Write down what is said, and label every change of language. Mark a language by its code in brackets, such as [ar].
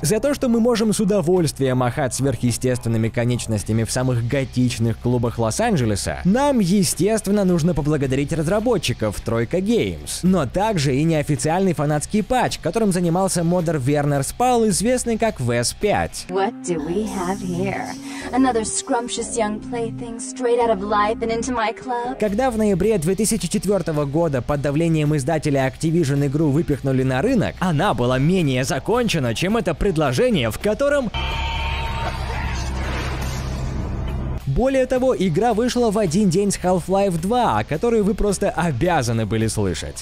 [ru] За то, что мы можем с удовольствием махать сверхъестественными конечностями в самых готичных клубах Лос-Анджелеса, нам, естественно, нужно поблагодарить разработчиков Тройка Геймс. Но также и неофициальный фанатский патч, которым занимался моддер Вернер Спал, известный как VS5. [en] What do we have here? Another scrumptious young plaything straight out of life and into my club? [ru] Когда в ноябре 2004 года под давлением издателя Activision игру выпихнули на рынок, она была менее закончена, чем это предложение, в котором... Более того, игра вышла в один день с Half-Life 2, о которой вы просто обязаны были слышать.